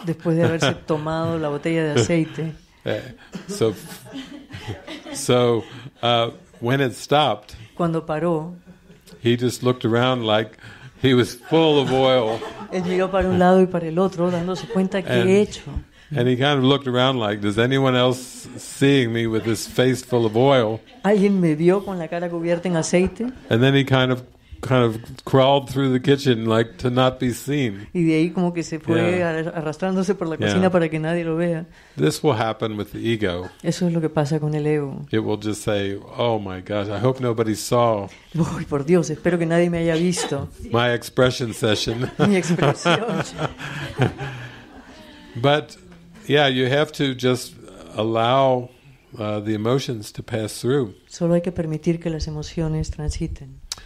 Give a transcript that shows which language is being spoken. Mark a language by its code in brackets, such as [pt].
[es] Después de haberse tomado la botella de aceite. [en] When it stopped, [es] cuando paró, [en] he just looked around like he was full of oil. [es] Él miró para un lado y para el otro, dándose cuenta qué he hecho. [en] And he kind of looked around like, does anyone else seeing me with this face full of oil? [es] ¿Alguien me vio con la cara cubierta en aceite? [en] And then he kind of crawled through the kitchen like to not be seen. [es] Y de ahí como que se fue arrastrándose por la cocina para que nadie lo vea. [en] This will happen with the ego. [es] Eso es lo que pasa con el ego. [en] It will just say, oh my gosh, I hope nobody saw. [es] Uy, por Dios, espero que nadie me haya visto. [en] My expression session. [es] Mi expresión. [en] But yeah, you have to just allow the emotions to pass through. [es] Solo hay que permitir que las emociones transiten.